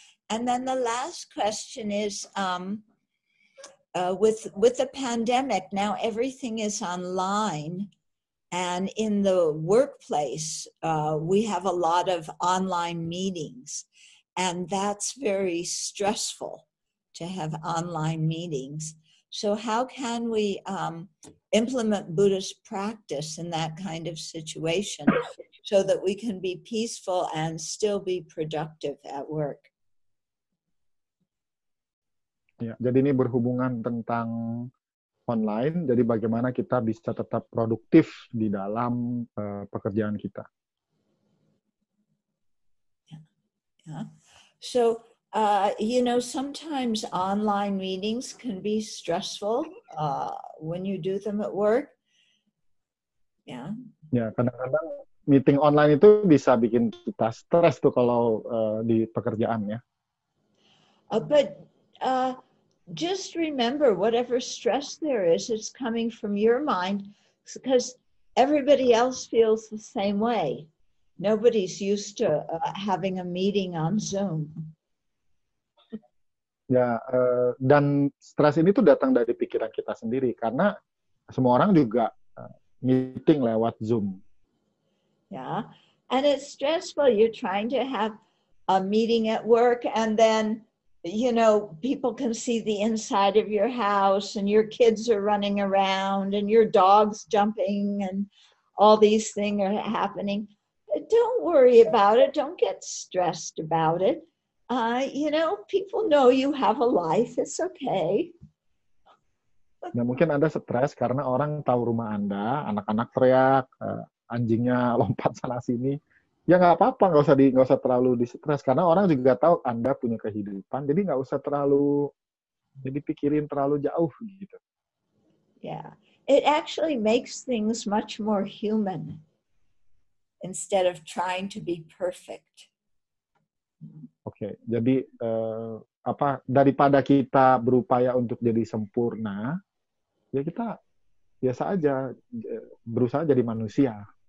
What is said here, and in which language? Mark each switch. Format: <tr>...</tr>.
<en>And then the last question is, with the pandemic, now everything is online, and in the workplace, we have a lot of online meetings, and that's very stressful to have online meetings. So how can we implement Buddhist practice in that kind of situation so that we can be peaceful and still be productive at work?</en> <id>Ya, jadi ini berhubungan tentang online, jadi bagaimana kita bisa tetap produktif di dalam pekerjaan kita.</id> <en>So you know, sometimes online meetings can be stressful when you do them at work. Yeah.</en> <id>Ya, kadang-kadang meeting online itu bisa bikin kita stres tuh kalau di pekerjaan ya.</id> <en>But just remember whatever stress there is, it's coming from your mind because everybody else feels the same way. Nobody's used to having a meeting on Zoom.</en> <id>Ya, dan stres ini tuh datang dari pikiran kita sendiri karena semua orang juga meeting lewat Zoom.</id> <en>Yeah, and it's stressful. You're trying to have a meeting at work, and then you know people can see the inside of your house, and your kids are running around, and your dog's jumping, and all these things are happening. Don't worry about it. Don't get stressed about it. You know, people know you have a life. It's okay.</en> <id>Nah, mungkin Anda stres karena orang tahu rumah Anda, anak-anak teriak, anjingnya lompat sana sini. Ya nggak apa-apa, nggak usah terlalu distres karena orang juga tahu Anda punya kehidupan. Jadi nggak usah terlalu dipikirin terlalu jauh gitu.</id> <en>Yeah, it actually makes things much more human instead of trying to be perfect.</en> <id>Oke, okay, jadi daripada kita berupaya untuk jadi sempurna, ya kita biasa aja berusaha jadi manusia.</id>